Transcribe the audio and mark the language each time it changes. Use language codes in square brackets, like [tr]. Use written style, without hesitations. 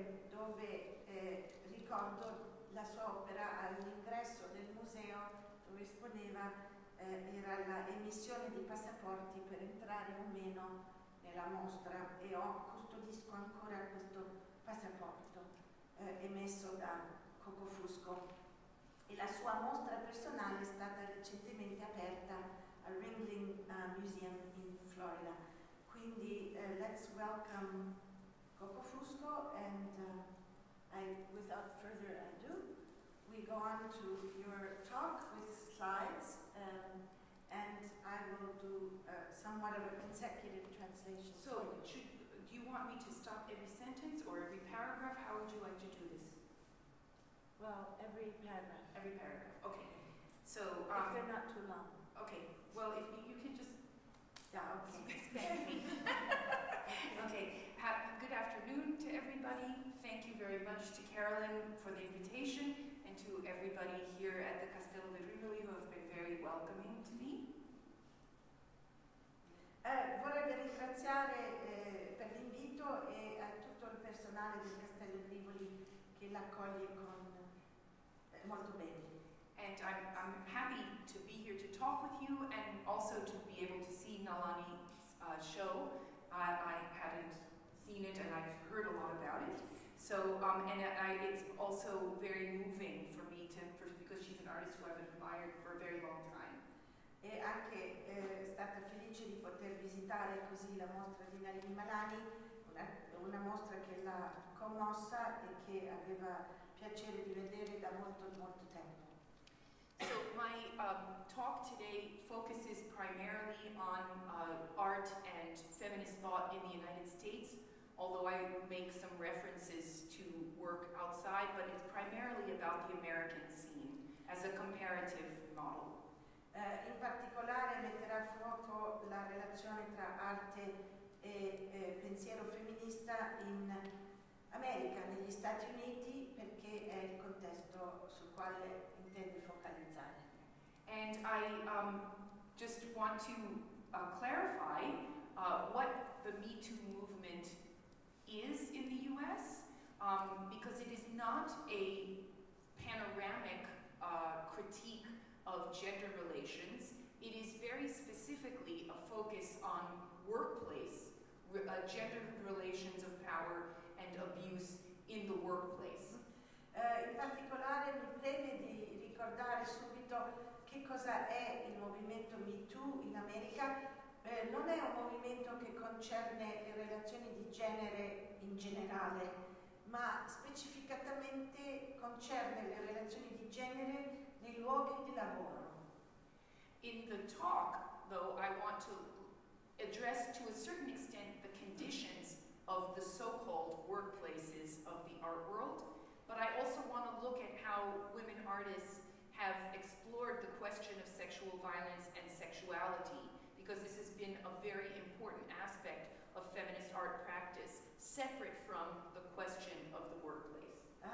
[it] dove ricordo la sua opera all'ingresso del museo dove esponeva, era la emissione di passaporti per entrare o meno nella mostra, e ho custodisco ancora questo passaporto emesso da Coco Fusco. E la sua mostra personale è stata recentemente aperta al Ringling Museum in Florida. Quindi [en] let's welcome Coco Fusco, and without further ado, we go on to your talk with slides. And I will do somewhat of a consecutive translation. So, do you want me to stop every sentence or every paragraph? How would you like to do this? Well, every paragraph. Every paragraph, okay. So, if they're not too long. Okay, well, if you can just. Yeah, okay. Okay, good afternoon to everybody. Thank you very much to Carolyn for the invitation, and to everybody here at the Castello di Rivoli who have been very welcoming to me. [it] Vorrei ringraziare per l'invito e a tutto il personale del Castello di Rivoli che l'accoglie con molto bene. [en] And I'm happy to be here to talk with you and also to be able to see Nalani's show. I hadn't seen it and I've heard a lot about it. So, it's also very moving for me to, because she's an artist who I've admired for a very long time. [it] E anche stata felice di poter visitare così la mostra di Nalini Malani, una mostra che l'ha commossa e che aveva piacere di vedere da molto, molto tempo. [en] So, my talk today focuses primarily on art and feminist thought in the United States. Although I make some references to work outside, but it's primarily about the American scene as a comparative model. [it] In particolare metterà a fuoco la relazione tra arte e pensiero femminista in America, negli Stati Uniti, perché è il contesto sul quale intende focalizzare. [en] And I just want to clarify what the Me Too movement is in the US, because it is not a panoramic critique of gender relations. It is very specifically a focus on workplace, gender relations of power and abuse in the workplace. [it] In particolare mi preme di ricordare subito che cosa è il movimento Me Too in America. Non è un movimento che concerne le relazioni di genere in generale, ma specificatamente concerne le relazioni di genere nei luoghi di lavoro. [en] In the talk, though, I want to address to a certain extent the conditions of the so-called workplaces of the art world, but I also want to look at how women artists have explored the question of sexual violence and sexuality, because this has been a very important aspect of feminist art practice, separate from the question of the workplace.